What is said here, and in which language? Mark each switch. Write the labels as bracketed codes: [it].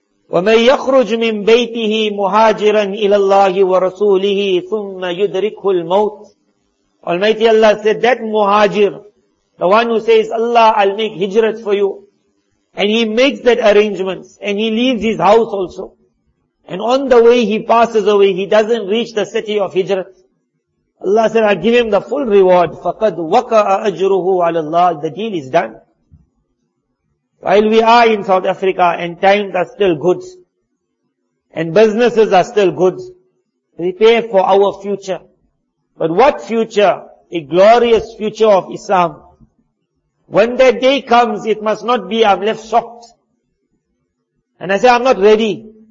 [ar] وَمَنْ يَخْرُجْ مِنْ بَيْتِهِ مُهَاجِرًا إِلَى اللَّهِ وَرَسُولِهِ ثُمَّ يُدْرِكْهُ الْمَوْتِ [en] Almighty Allah said, that muhajir, the one who says, Allah, I'll make hijrat for you. And he makes that arrangements. And he leaves his house also. And on the way he passes away, he doesn't reach the city of hijrat. Allah said, I'll give him the full reward. [ar] فَقَدْ وَقَعَ أَجْرُهُ عَلَى اللَّهِ [en] The deal is done. While we are in South Africa and times are still good and businesses are still good, prepare for our future. But what future? A glorious future of Islam. When that day comes, it must not be I'm left shocked. And I say, I'm not ready.